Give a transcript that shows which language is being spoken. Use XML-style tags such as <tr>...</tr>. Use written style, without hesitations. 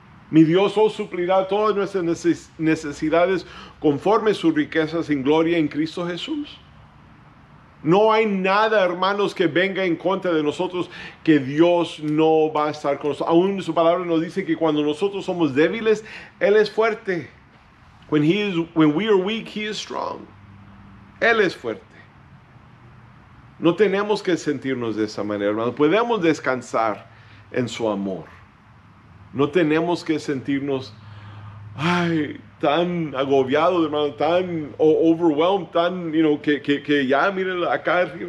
<es>Mi Dios os suplirá todas nuestras necesidades conforme sus riquezas en gloria en Cristo Jesús. No hay nada, hermanos, que venga en contra de nosotros que Dios no va a estar con nosotros. Aún su palabra nos dice que cuando nosotros somos débiles, Él es fuerte.</es> <en>When we are weak, He is strong.</en> <es>Él es fuerte. No tenemos que sentirnos de esa manera, hermanos. Podemos descansar en su amor. No tenemos que sentirnos ay, tan agobiados, hermano, tan overwhelmed, tan,</es> <en>you know,</en> <es>que ya, miren acá.</es>